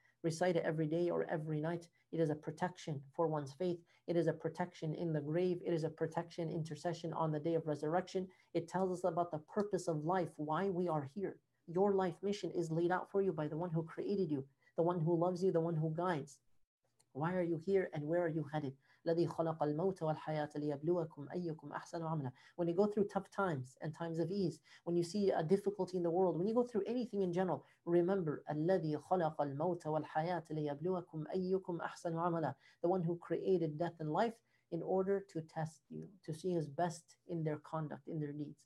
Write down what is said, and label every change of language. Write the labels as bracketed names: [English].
[English] Recite it every day or every night. It is a protection for one's faith. It is a protection in the grave. It is a protection intercession on the day of resurrection. It tells us about the purpose of life, why we are here. Your life mission is laid out for you by the one who created you, the one who loves you, the one who guides. Why are you here and where are you headed? [Arabic] الذي خلق الموت والحياة ليبلوكم أيكم أحسن عملا. [English] When you go through tough times and times of ease, when you see a difficulty in the world, when you go through anything in general, remember [Arabic] الذي خلق الموت والحياة ليبلوكم أيكم أحسن عملا. [English] The one who created death and life in order to test you, to see his best in their conduct, in their deeds.